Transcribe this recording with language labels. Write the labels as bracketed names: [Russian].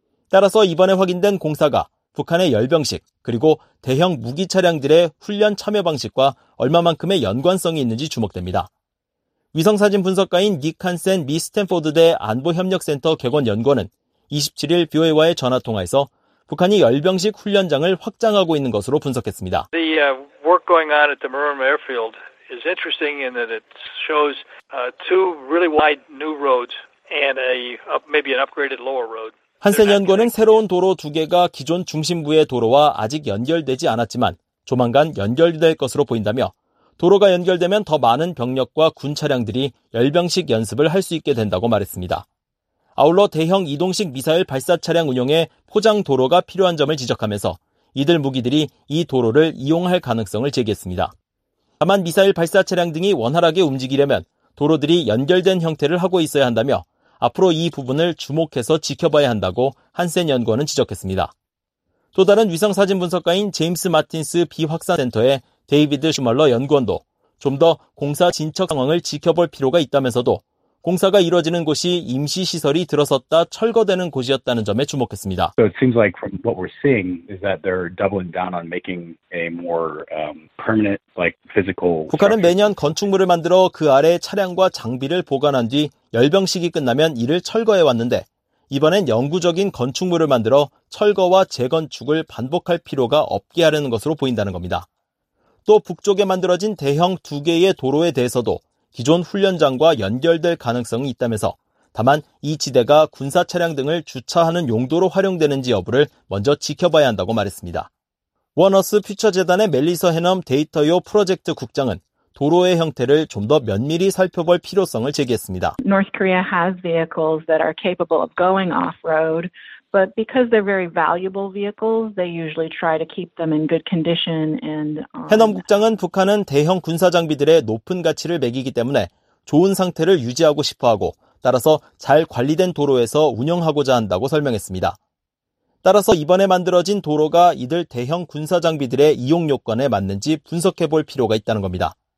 [Korean] 따라서 이번에 확인된 공사가 북한의 열병식 그리고 대형 무기 차량들의 훈련 참여 방식과 얼마만큼의 연관성이 있는지 주목됩니다. 위성사진 분석가인 닉 한센 미 스탠포드대 안보협력센터 객원 연구원은 27일 BOA와의 전화통화에서 북한이 열병식 훈련장을 확장하고 있는 것으로 분석했습니다. [English] The work going on at the Murom Airfield is interesting in that it shows two really wide new roads and maybe an upgraded lower road. [Korean] 한센 연구원은 새로운 도로 두 개가 기존 중심부의 도로와 아직 연결되지 않았지만 조만간 연결될 것으로 보인다며 도로가 연결되면 더 많은 병력과 군 차량들이 열병식 연습을 할 수 있게 된다고 말했습니다. 아울러 대형 이동식 미사일 발사 차량 운용에 포장 도로가 필요한 점을 지적하면서 이들 무기들이 이 도로를 이용할 가능성을 제기했습니다. 다만 미사일 발사 차량 등이 원활하게 움직이려면 도로들이 연결된 형태를 하고 있어야 한다며 앞으로 이 부분을 주목해서 지켜봐야 한다고 한센 연구원은 지적했습니다. 또 다른 위성사진 분석가인 제임스 마틴스 비확산센터의 데이비드 슈멀러 연구원도 좀 더 공사 진척 상황을 지켜볼 필요가 있다면서도 공사가 이루어지는 곳이 임시시설이 들어섰다 철거되는 곳이었다는 점에 주목했습니다. [English] So it seems like from what we're seeing is that they're doubling down on making a more permanent like physical. [Korean] 북한은 매년 건축물을 만들어 그 아래 차량과 장비를 보관한 뒤 열병식이 끝나면 이를 철거해 왔는데 이번엔 영구적인 건축물을 만들어 철거와 재건축을 반복할 필요가 없게 하려는 것으로 보인다는 겁니다. 또 북쪽에 만들어진 대형 두 개의 도로에 대해서도 기존 훈련장과 연결될 가능성이 있다면서 다만 이 지대가 군사 차량 등을 주차하는 용도로 활용되는지 여부를 먼저 지켜봐야 한다고 말했습니다. 원어스 퓨처재단의 멜리서 헤넘 데이터요 프로젝트 국장은 도로의 형태를 좀 더 면밀히 살펴볼 필요성을 제기했습니다. [English] North Korea has vehicles that are capable of going off-road, but because they're very valuable vehicles, they usually try to keep them in good condition and [Korean] 헤넘 국장은 북한은 대형 군사 장비들의 높은 가치를 매기기 때문에 좋은 상태를 유지하고 싶어 하고 따라서 잘 관리된 도로에서 운영하고자 한다고 설명했습니다. 따라서 이번에 만들어진 도로가 이들 대형 군사 장비들의 이용 요건에 맞는지 분석해 볼 필요가 있다는 겁니다.